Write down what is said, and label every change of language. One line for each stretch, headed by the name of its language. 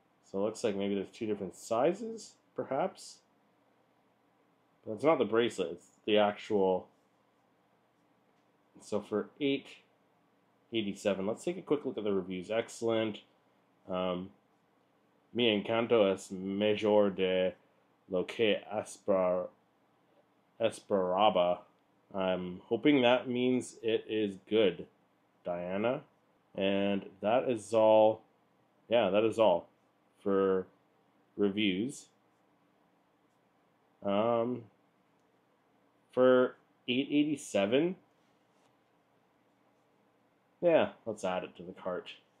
English: So it looks like maybe there's two different sizes, perhaps. But it's not the bracelet, it's the actual. So for $8.87, let's take a quick look at the reviews. Excellent.
Spanish: Mi encanto es mejor de lo que esperaba.
English: I'm hoping that means it is good, Diana. And that is all. Yeah, that is all. For reviews, for $8.87, yeah, let's add it to the cart.